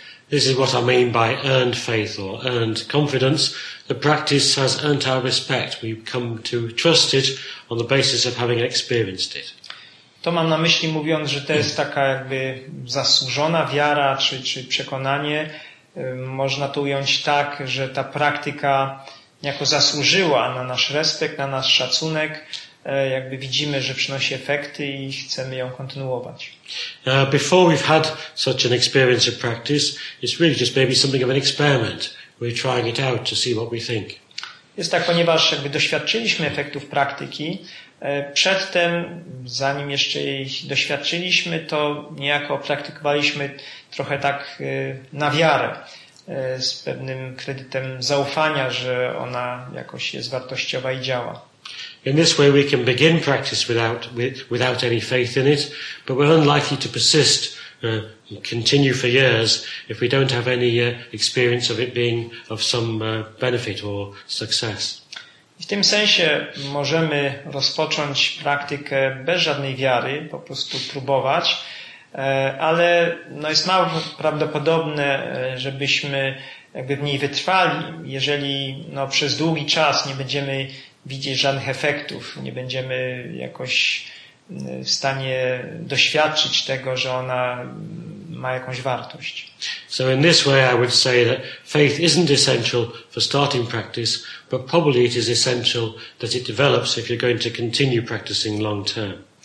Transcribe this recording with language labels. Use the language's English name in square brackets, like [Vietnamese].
[English] This is what I mean by earned faith or earned confidence. The practice has earned our respect. We come to trust it on the basis of having experienced it. [Polish] To mam na myśli, mówiąc, że to jest taka jakby zasłużona wiara czy przekonanie. Można to ująć tak, że ta praktyka jako zasłużyła na nasz respekt, na nasz szacunek. Jakby widzimy, że przynosi efekty i chcemy ją kontynuować. [English] Before we've had such an experience of practice, it's really just maybe something of an experiment. We're trying it out to see what we think. [Polish] Jest tak, ponieważ jakby doświadczyliśmy efektów praktyki, przedtem, zanim jeszcze ich doświadczyliśmy, to niejako praktykowaliśmy trochę tak na wiarę, z pewnym kredytem zaufania, że ona jakoś jest wartościowa i działa. [English] In this way we can begin practice without any faith in it, but we're unlikely to persist and continue for years if we don't have any experience of it being of some benefit or success. [Polish] W tym sensie możemy rozpocząć praktykę bez żadnej wiary, po prostu próbować, ale no jest mało prawdopodobne, żebyśmy jakby w niej wytrwali, jeżeli no przez długi czas nie będziemy widzieć żadnych efektów, nie będziemy jakoś w stanie doświadczyć tego, że ona ma jakąś wartość. [English] So in this way I would say that faith isn't essential for starting practice, but probably it is essential that it develops if you're going to continue practicing long term.